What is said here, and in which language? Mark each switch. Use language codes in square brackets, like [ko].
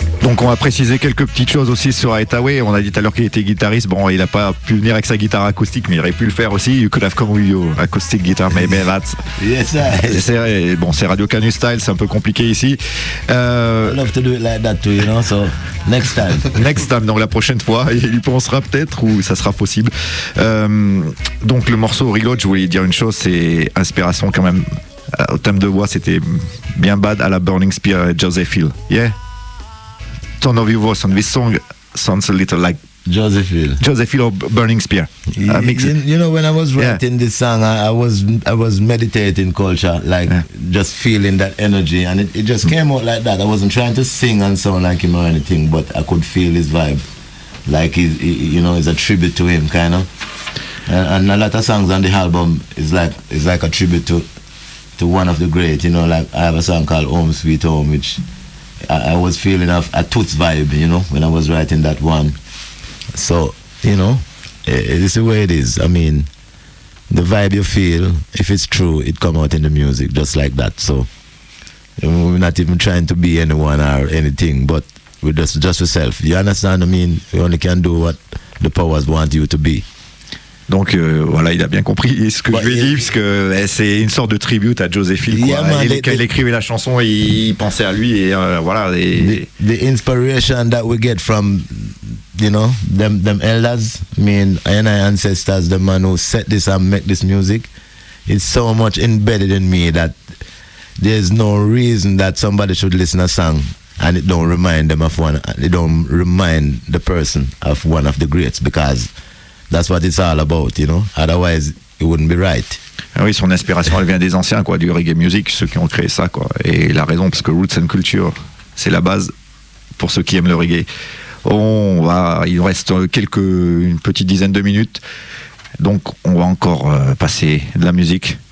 [fr] Donc on va préciser quelques petites choses aussi sur Hathaway. On a dit tout à l'heure qu'il était guitariste. Bon, il n'a pas pu venir avec sa guitare acoustique, mais il aurait pu le faire aussi. [en] You could have come with your acoustic guitar, maybe that's... Yes, sir. [fr] C'est, bon, c'est Radio Canu Style, c'est un peu compliqué ici. [en] I love to do it like that too, you know, so next time. Next time, [fr] donc la prochaine fois, il y pensera peut-être ou ça sera possible. Donc le morceau Reload, je voulais dire une chose, c'est inspiration quand même. Au thème de voix, c'était bien bad à la Burning Spear et Joseph Hill. [en] Yeah. Tone of your voice on this song sounds a little like Joseph Hill. Joseph Hill or Burning Spear. You know, when I was writing this song, I was meditating culture, like just feeling that energy, and it just came out like that. I wasn't trying to sing and sound like him or anything, but I could feel his vibe, like it's a tribute to him, kind of. And a lot of songs on the album is like a tribute to one of the great. You know, like I have a song called Home Sweet Home, which I was feeling a Toots vibe, you know, when I was writing that one. So, you know, it's the way it is. I mean, the vibe you feel, if it's true, it come out in the music, just like that. So, we're not even trying to be anyone or anything, but we're just yourself. You understand? I mean, you only can do what the powers want you to be. [fr] Donc voilà, il a bien compris ce que je lui ai dit, parce que c'est une sorte de tribute à Joseph Hill. Il écrivait la chanson, il pensait à lui et voilà. [en] The inspiration that we get from, you know, them elders, and our ancestors, the man who set this and make this music, it's so much embedded in me that there's no reason that somebody should listen a song and it don't remind them of one, it don't remind the person of one of the greats, because that's what it's all about, you know. Otherwise, it wouldn't be right. [fr] Ah oui, son inspiration, elle vient des anciens, quoi, du reggae music, ceux qui ont créé ça, quoi. Et il a raison, parce que [en] roots and culture, [fr] c'est la base pour ceux qui aiment le reggae. Il reste une petite dizaine de minutes, donc on va encore passer de la musique.